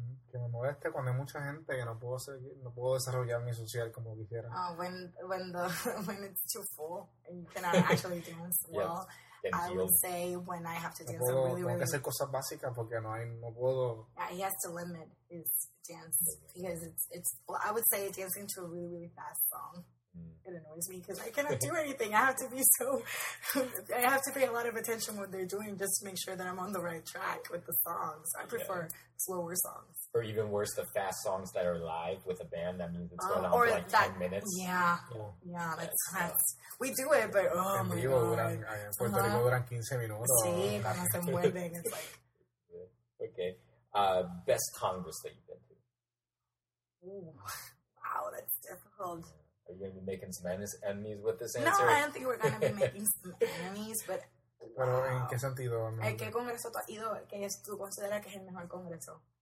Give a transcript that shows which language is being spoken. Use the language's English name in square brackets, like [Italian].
[Spanish] Que me moleste cuando hay mucha gente que no puedo desarrollar mi social como quisiera. [English] Oh, when it's too full and you cannot actually dance well, yes. I would say when I have to dance [Spanish] tengo que hacer cosas básicas porque no puedo. [English] Yeah, he has to limit his dance because it's I would say dancing to a really, really fast song. It annoys me because I cannot do anything. I have to pay a lot of attention to what they're doing just to make sure that I'm on the right track with the songs. I prefer slower songs. Or even worse, the fast songs that are live with a band, that means it's going on for like 10 minutes. Yeah, that's we do it, but oh my god. [Spanish] En vivo duran, en Puerto Rico duran 15 minutos. Sí, cuando se mueven, [English] it's like. Okay. Best Congress that you've been to? Ooh, wow, that's difficult. Are you going to be making some enemies with this answer? No, I don't think we're going to be making some enemies, but [Spanish] pero ¿en qué sentido? ¿En qué congreso tú has ido? ¿Qué es tú consideras que es el mejor congreso?